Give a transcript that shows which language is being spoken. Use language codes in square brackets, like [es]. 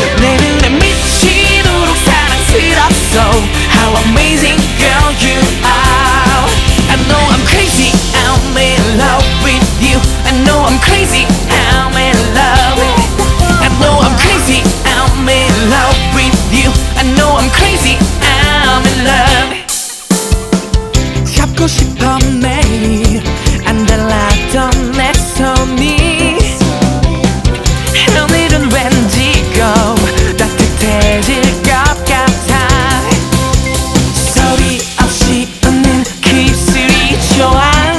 [ko] 내 눈에 미치도록 사랑스럽소. [en] How amazing girl you are. I know I'm crazy, I'm in love with you. I know I'm crazy, I'm in love with you. I know I'm crazy, I'm in love with you. I know I'm crazy, I'm in love. [ko] 잡고 싶어 매일 달랐던 내 손이 오늘은 왠지 꼭 따뜻해질 것 같아. 소리 없이 웃는 그 입술이 좋아.